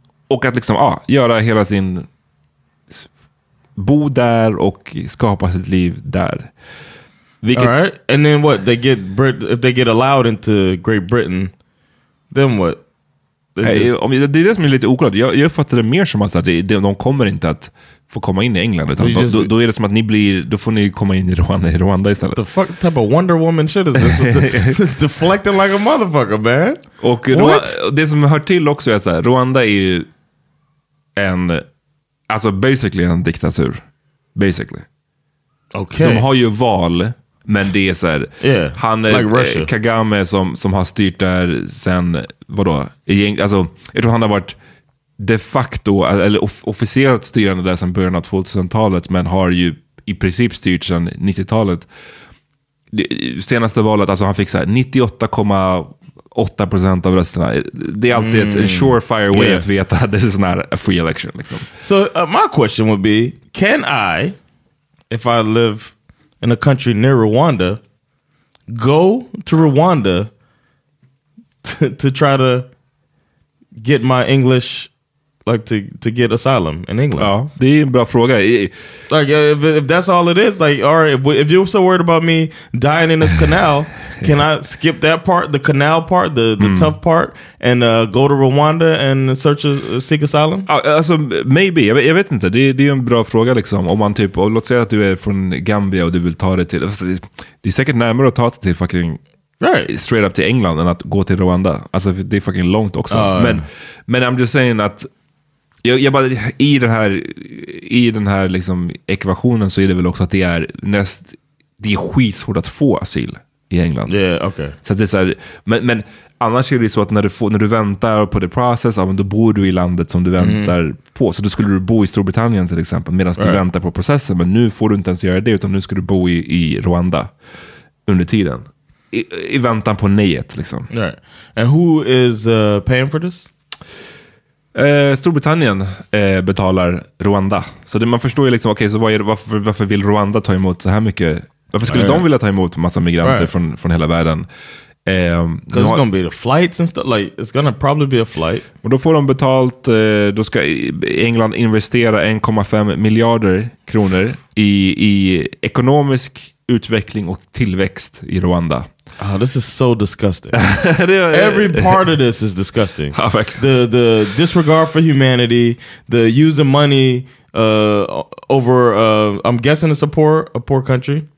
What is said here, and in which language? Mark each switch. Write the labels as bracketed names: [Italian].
[Swedish] Och att liksom göra hela sin bo där och skapa sitt liv där. Vilket, [English] all right. And then what? They get if they get allowed into Great Britain, then what? [Swedish] Just, det är det som är lite oklart. Jag uppfattar det mer som att de kommer inte att få komma in i England. Utan just, då är det som att ni blir, då får ni komma in i Rwanda istället. [English] The fuck type of Wonder Woman shit is this? Deflecting like a motherfucker, man. [Swedish] Och det som hör till också är så här, Rwanda är ju en, alltså basically en diktatur. [English] Basically. Okay. [Swedish] De har ju val, men det är så här, [English] yeah, [Swedish] han är like Kagame som har styrt där sen vadå, alltså jag tror han har varit de facto eller officiellt styrande där sen början av 2000-talet, men har ju i princip styrt sen 90-talet. Det senaste valet, alltså han fick så här 98,8% av rösterna. Det är alltid ett [English] surefire way [Swedish] att veta att [English] this is not a free election [Swedish] liksom. [English] So my question would be, can I, if I live in a country near Rwanda, go to Rwanda to try to get my English, like to get asylum in England? [Swedish] Ja, det är en bra fråga. [English] Like if that's all it is, like all right, if you're so worried about me dying in this canal, can yeah. I skip that part, the canal part, the tough part, and go to Rwanda and seek asylum? [Swedish] Alltså, [English] maybe. [Swedish] Jag vet inte. Det är en bra fråga liksom. Om man typ, låt säga att du är från Gambia och du vill ta det till, det är säkert närmare att ta det till fucking [English] right. [Swedish] Straight up till England än att gå till Rwanda. Alltså det är fucking långt också. Men [English] I'm just saying [Swedish] att jag bara, i den här liksom ekvationen så är det väl också att det är skitsvårt att få asyl i England. Ja, yeah, okej. Okay. Så att det är så här, men annars är det så att när du väntar på [English] the process, [Swedish] ja, då bor du i landet som du väntar på. Så då skulle du bo i Storbritannien till exempel medan du väntar på processen, men nu får du inte ens göra det, utan nu ska du bo i Rwanda under tiden. I väntan på nejet liksom. [English] Right. And who is paying for this? [Swedish] Storbritannien betalar Rwanda. Så det, man förstår ju liksom, okej, okay, så varför vill Rwanda ta emot så här mycket? Varför skulle de vilja ta emot massa migranter från hela världen? [English] Because it's gonna be the flights and stuff. Like, it's gonna probably be a flight. [Swedish] Och då får de betalt, då ska England investera 1,5 miljarder kronor i ekonomisk utveckling och tillväxt i Rwanda. [English] Oh, this is so disgusting. Every part of this is disgusting. The disregard for humanity, the using money over, I'm guessing it's a poor country.